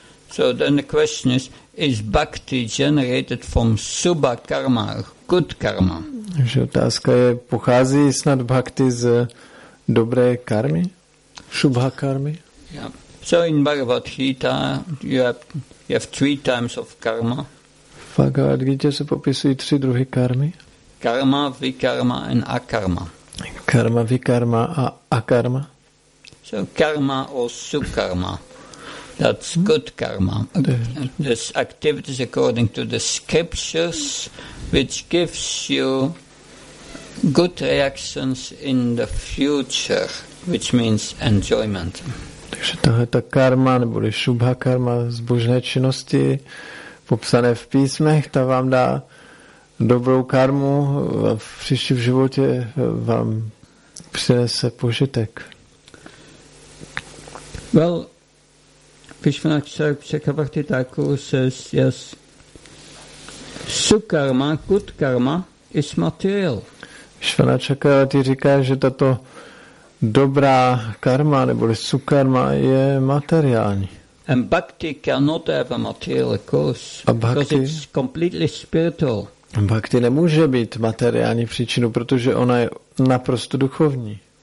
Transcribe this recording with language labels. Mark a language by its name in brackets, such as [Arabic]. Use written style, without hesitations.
[English] So then the question is bhakti generated from subha karma, good karma? [Czech] Takže otázka je, pochází snad bhakti z dobré karmy? Subha karmy? [English] Yeah. So in Bhagavad Gita, you have three types of karma. [Czech] V Bhagavad Gita se popisují tři druhy karmy. [English] Karma, vikarma and akarma. [Czech] Karma, vikarma a akarma. [English] So karma or subkarma. That's good karma. This activity is according to the scriptures, which gives you good reactions in the future, which means enjoyment. [Czech] Takže tohle ta karma, nebo šubha karma z božné činnosti, popsané v písmech, ta vám dá dobrou karmu a v příštím životě vám přinese požitek. [English] Well, Vishvanatha Chakravarti Thakur says, yes, sukarma, good karma, is material. [Czech] Vishvanatha Chakravarti říká, že tato dobrá karma, neboli sukarma, je materiální. [English] And bhakti cannot have a material cause, because it's completely spiritual. [Czech] Bhakti nemůže být materiální příčinou, protože ona je naprosto duchovní.